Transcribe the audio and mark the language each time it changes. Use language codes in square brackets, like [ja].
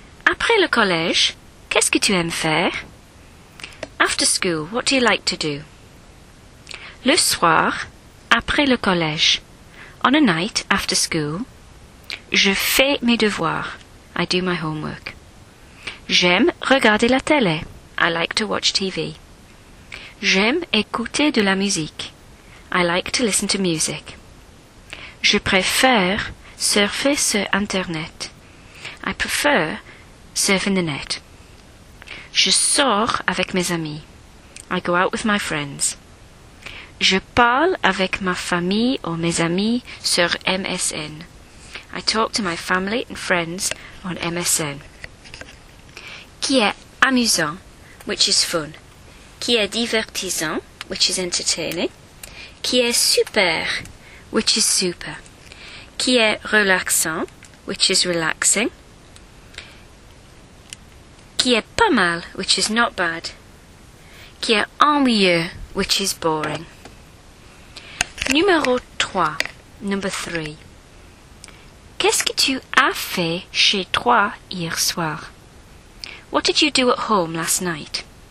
[fr] Après le collège, qu'est-ce que tu aimes faire? [en] After school, what do you like to do? [fr] Le soir, après le collège. [en] On a night, after school. [fr] Je fais mes devoirs. [en] I do my homework. [fr] J'aime regarder la télé. [en] I like to watch TV. [fr] J'aime écouter de la musique. [en] I like to listen to music. [fr] Je préfère surfer sur Internet. [en] I prefer surfing the net. [fr] Je sors avec mes amis. [en] I go out with my friends. [fr] Je parle avec ma famille ou mes amis sur MSN. [en] I talk to my family and friends on MSN. [fr] Qui est amusant, [en] which is fun. [fr] Qui est divertissant, [en] which is entertaining. [fr] Qui est super, [en] which is super. [fr] Qui est relaxant, [en] which is relaxing. [fr] Qui est pas mal, [en] which is not bad. [fr] Qui est ennuyeux, [en] which is boring. [fr] Numéro 3. [en] Number 3. [fr] Qu'est-ce que tu as fait chez toi hier soir? [en] What did you do at home last night?